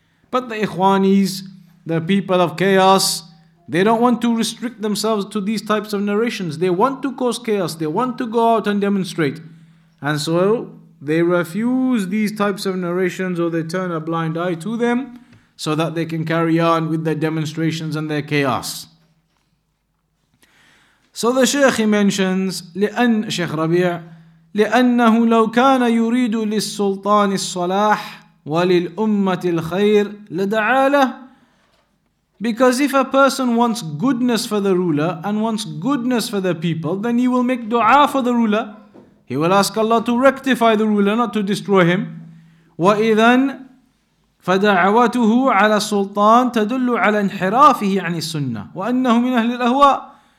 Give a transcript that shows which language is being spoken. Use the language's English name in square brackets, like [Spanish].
[English] But the Ikhwanis, the people of chaos, they don't want to restrict themselves to these types of narrations. They want to cause chaos. They want to go out and demonstrate. And so they refuse these types of narrations, or they turn a blind eye to them so that they can carry on with their demonstrations and their chaos. So the Sheikh, he mentions, [Arabic] لأن Sheikh Rabi' لأنه لو كان يريد للسلطان الصلاح وللأمة الخير لدعا له. [English] Because if a person wants goodness for the ruler and wants goodness for the people, then he will make dua for the ruler. He will ask Allah to rectify the ruler, not to destroy him. [Arabic] وَإِذَنْ فَدَعَوَتُهُ عَلَى السُّلْطَانِ تَدُلُّ عَلَى انْحِرَافِهِ عَنِ السُّنَّةِ وَأَنَّهُ مِنْ أَهْلِ الْأَهْوَاءِ.